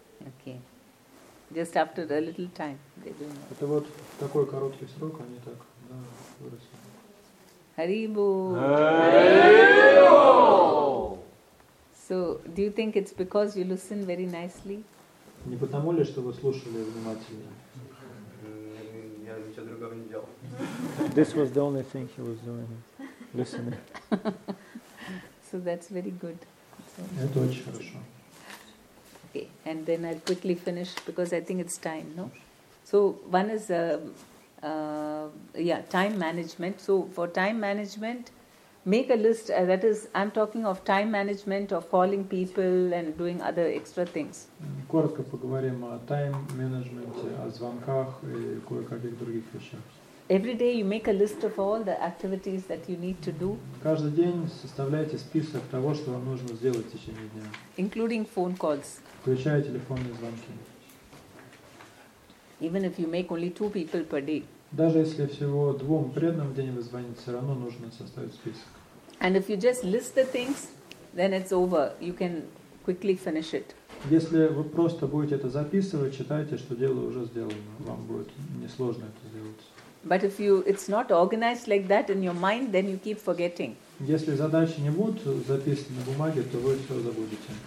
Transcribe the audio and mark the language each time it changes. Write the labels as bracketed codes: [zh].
[en] Okay, just after a little time, they do. [ru] Это вот такой короткий срок, они так выросли. Haribu. Haribu. [en] So, do you think it's because you listen very nicely? [ru] Не потому ли, что вы слушали внимательно? Я ничего другого не делал. [en] This was the only thing he was doing, listening. So that's very good. [ru] Это очень хорошо. [en] Okay, and then I'll quickly finish because I think it's time, no? So one is time management. So for time management, make a list, that is, I'm talking of time management, of calling people and doing other extra things. [ru] Коротко поговорим о time management, о звонках и кое-каких других вещах. [en] Every day you make a list of all the activities that you need to do. [ru] Каждый день составляйте список того, что вам нужно сделать в течение дня. [en] Including phone calls. [ru] Включая телефонные звонки. [en] Even if you make only 2 people per day. [ru] Даже если всего 2 преданным в день вы звоните, все равно нужно составить список. [en] And if you just list the things, then it's over. You can quickly finish it. [ru] Если вы просто будете это записывать, читайте, что дело уже сделано. Вам будет несложно это сделать. [en] But if you, it's not organized like that in your mind, then you keep forgetting. [ru] Если задачи не будут записаны на бумаге, то вы все забудете.